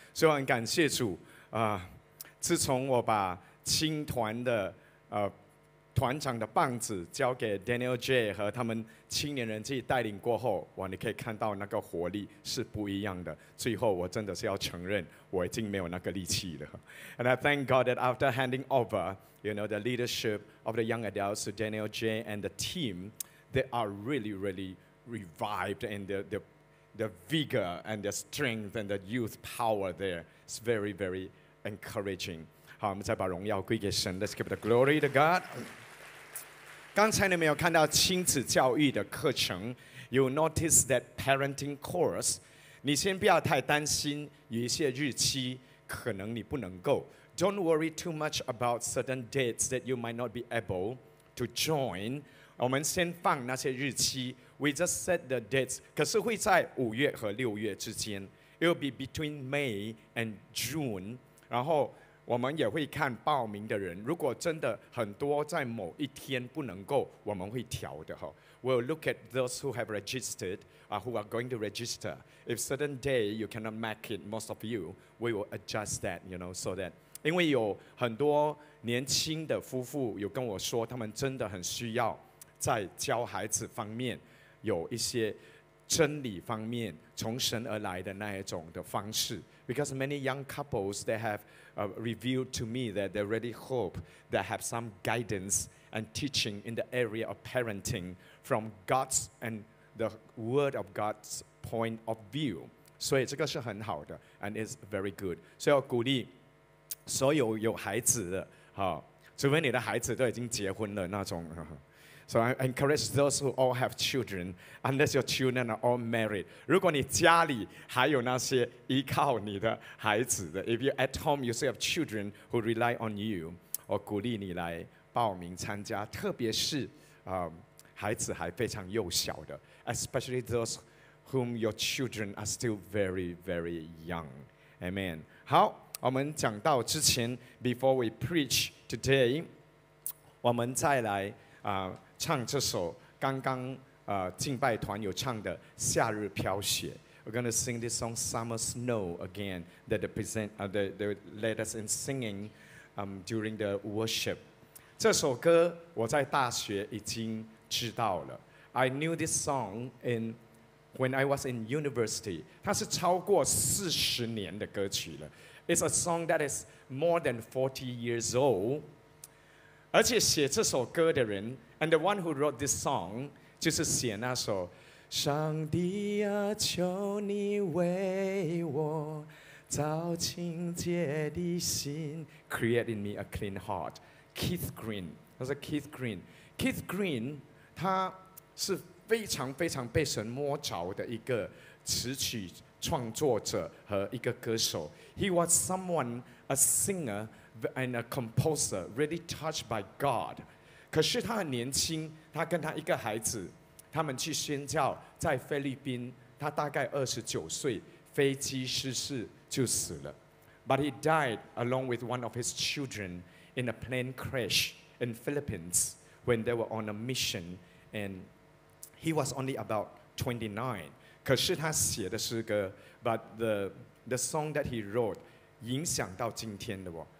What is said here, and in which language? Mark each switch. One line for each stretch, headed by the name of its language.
Chinese: 所以很感谢主啊、自从我把青团的团长的棒子交给 Daniel J 和他们青年人自己带领过后，哇，你可以看到那个活力是不一样的。最后我真的是要承认我已经没有那个力气了。
English: And I thank God that after handing over, you know, the leadership of the young adults to Daniel J and the team, they are really, really revived and the vigor and the strength and the youth power there is very, very encouraging.
Chinese: 好，我们再把荣耀归给神。
English: Let's give the glory to God.
Chinese: 刚才你们有看到亲子教育的课程
English: ，You notice that parenting course.
Chinese: 你先不要太担心，有一些日期可能你不能够。
English: Don't worry too much about certain dates that you might not be able to join.
Chinese: 我们先放那些日期
English: ，We just set the dates.
Chinese: 可是会在五月和六月之间
English: ，It will be between May and June.
Chinese: 然后我们也会看报名的人，如果真的很多在某一天不能够，我们会调的。
English: We'll look at those who have registered, who are going to register. If certain day you cannot make it, most of you, we will adjust that, you know, so that.
Chinese: 因为有很多年轻的夫妇有跟我说，他们真的很需要在教孩子方面有一些真理方面从神而来的那一种的方式。
English: Because many young couples, they have revealed to me that they really hope they have some guidance and teaching in the area of parenting from God's and the Word of God's point of view.
Chinese: 所以这个是很好的
English: and it's very good.
Chinese: 所以我鼓励所有有孩子的，好，除非你的孩子都已经结婚了那种。
English: So I encourage those who all have children, unless your children are all married.
Chinese: 如果你家里还有那些依靠你的孩子的 ，
English: if you at home you still have children who rely on you,
Chinese: 我鼓励你来报名参加，特别是孩子还非常幼小的 ，
English: especially those whom your children are still very very young. Amen.
Chinese: 好，我们讲到之前 ，
English: before we preach today,
Chinese: 我们再来。唱这首刚刚敬拜团有唱的《夏日飘雪》。
English: We're gonna sing this song, "Summer Snow," again. That the present, the led us in singing, during the worship.
Chinese: 这首歌我在大学已经知道了。
English: I knew this song in when I was in university.
Chinese: 它是超过四十年的歌曲了。
English: It's a song that is more than 40 years old.
Chinese: 而且写这首歌的人 ，
English: and the one who wrote this song，
Chinese: 就是写那首。上帝啊，求你为我造清洁的心 ，
English: create in me a clean heart。
Chinese: Keith Green， 他是 Keith Green。Keith Green， 他是非常非常被神摸着的一个词曲创作者和一个歌手。
English: He was someone a singer and a composer really touched by God。
Chinese: 可是他很年轻，他跟他一个孩子。他们去宣教，在菲律宾，他大概29岁，飞机失事就死了。
English: But he died along with one of his children in a plane crash in Philippines when they were on a mission, and he was only about 29.
Chinese: 可是他写的诗歌
English: ，but the song that he wrote
Chinese: 影响到今天的我。